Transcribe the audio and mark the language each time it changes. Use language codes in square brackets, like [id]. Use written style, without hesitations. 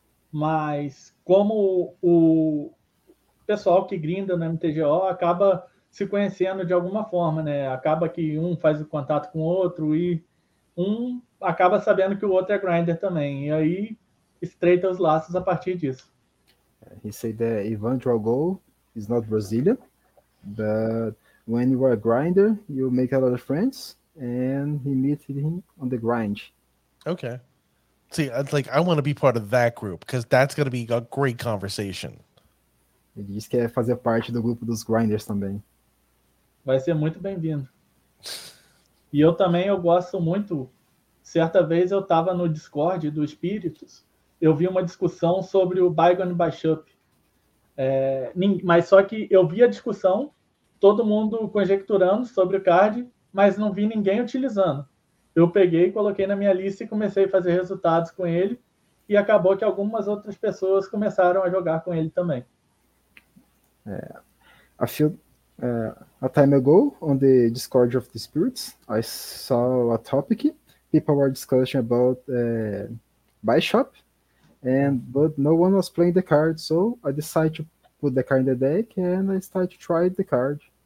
[pt] Mas como o pessoal que grinda no MTGO acaba se conhecendo de alguma forma, né? Acaba que um faz o contato com o outro e um acaba sabendo que o outro é grinder também. E aí estreita os laços a partir disso. [en] He said that Ivan Drago is not Brazilian, but when you are a grinder, you make a lot of friends and he meets him on the grind. Okay. See, it's like, I want to be part of that group because that's going to be a great conversation. [pt] Ele disse que quer fazer parte do grupo dos grinders também. Vai ser muito bem-vindo. E eu também, eu gosto muito. Certa vez eu estava no Discord do Espíritos, eu vi uma discussão sobre o Bygone Bishop. Mas só que eu vi a discussão, todo mundo conjecturando sobre o card, mas não vi ninguém utilizando. Eu peguei, coloquei na minha lista e comecei a fazer resultados com ele, e acabou que algumas outras pessoas começaram a jogar com ele também. [en] A time ago, on the Discord of the Spirits, I saw a topic. People were discussing about Bishop, but no one was playing the card, so I decided to put the card in the deck and I started to try the card.